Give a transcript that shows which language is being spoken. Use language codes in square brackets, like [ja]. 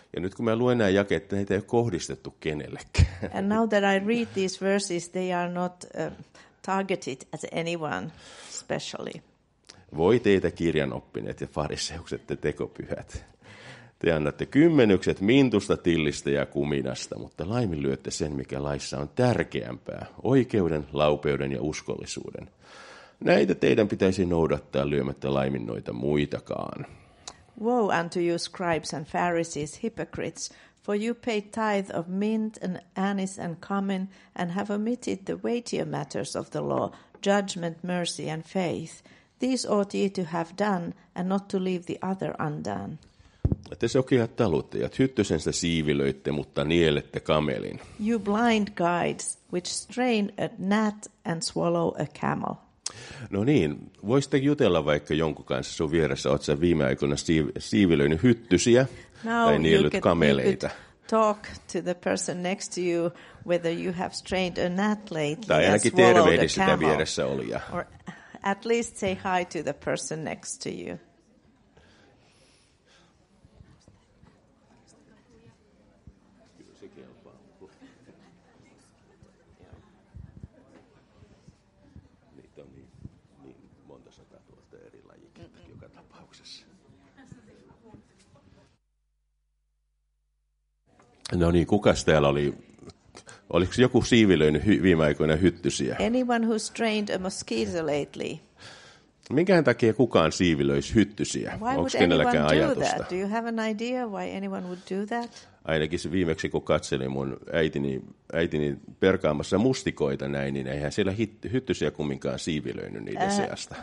[fi] Ja nyt kun mä luen nämä jakeet, näitä ei ole kohdistettu kenellekään. [en] And now that I read these verses, they are not targeted at anyone specially. [fi] Voi teitä kirjanoppineet ja fariseukset, te tekopyhät. Te annatte kymmenykset mintusta, tillistä ja kuminasta, mutta laiminlyötte sen, mikä laissa on tärkeämpää, oikeuden, laupeuden ja uskollisuuden. Näitä teidän pitäisi noudattaa lyömättä laimin noita muitakaan. [en] Woe unto you, scribes and Pharisees, hypocrites, for you pay tithe of mint and anise and cumin and have omitted the weightier matters of the law, judgment, mercy and faith. These ought ye to have done and not to leave the other undone. [fi] Te sokeat taluttajat, hyttysensä siivilöitte, mutta nielette kamelin. [en] You blind guides, which strain a gnat and swallow a camel. [fi] No niin, voisitte jutella vaikka jonkun kanssa sun vieressä, oot sä viime aikoina siivilöinyt hyttysiä [en] now [fi] tai niellyt kameleita. [en] Talk to the person next to you whether you have strained a gnat lately. [fi] Tai ainakin tervehdi sitä vieressä olija. [en] Or at least say hi to the person next to you. [fi] No niin, kukas täällä oli? Oliko joku siivilöinyt viime aikoina hyttysiä? [en] Anyone who strained a mosquito lately. [fi] Minkähän takia kukaan siivilöisi hyttysiä? Onko kenelläkään ajatusta? [en] That? Do you have an idea why anyone would do that? [fi] Ainakin viimeksi, kun katselin mun äitini perkaamassa mustikoita näin, niin eihän siellä hyttysiä kumminkaan siivilöinyt niiden seasta.